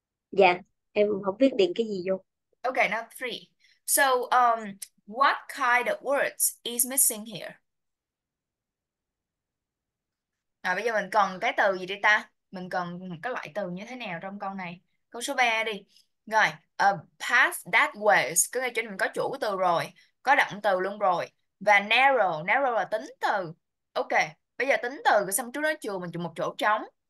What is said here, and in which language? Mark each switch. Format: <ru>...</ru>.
<vi>Dạ, em không biết điền cái gì vô.</vi> <en>Okay, now 3. So, what kind of words is missing here?</en> <vi>À, bây giờ mình cần cái từ gì đây ta? Mình cần cái loại từ như thế nào trong câu này? Câu số 3 đi. Rồi,</vi> <en>a path that was.</en> <vi>Có nghĩa chỗ mình có chủ từ rồi, có động từ luôn rồi. Và narrow, narrow là tính từ. Ok, bây giờ tính từ xong trước đó chừa mình chụp một chỗ trống.</vi>